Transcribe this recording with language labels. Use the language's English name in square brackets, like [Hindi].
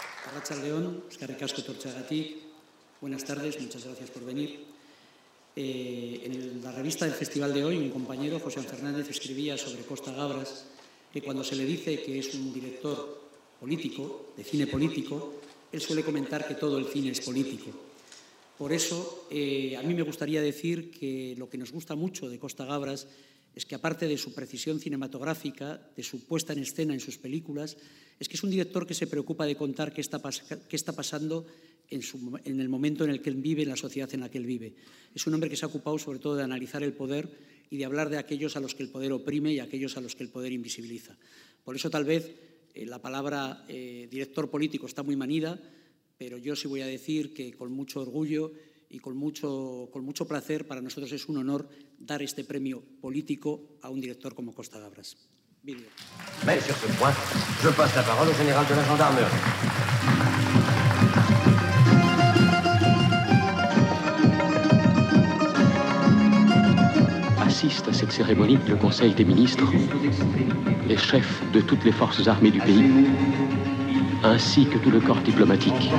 [Basque] Arratsaldeon, eskerrik asko etortzeagatik. [Spanish] Buenas tardes, muchas gracias por venir. En la revista del Festival de hoy, un compañero, José Fernández, escribía sobre Costa Gavras que cuando se le dice que es un director político, de cine político, él suele comentar que todo el cine es político. Por eso, a mí me gustaría decir que lo que nos gusta mucho de Costa Gavras es que, aparte de su precisión cinematográfica, de su puesta en escena en sus películas, es que es un director que se preocupa de contar qué está pasando en el momento en el que él vive, en la sociedad en la que él vive. Es un hombre que se ha ocupado sobre todo de analizar el poder y de hablar de aquellos a los que el poder oprime y aquellos a los que el poder invisibiliza. Por eso tal vez la palabra director político está muy manida, pero yo sí voy a decir que con mucho orgullo y con mucho placer para nosotros es un honor dar este premio político a un director como Costa Gavras. Video. [French] Mais sur ce point, je passe la parole au général de la gendarmerie. Assiste à cette cérémonie le Conseil des ministres, les chefs de toutes les forces armées du pays, ainsi que tout le corps diplomatique.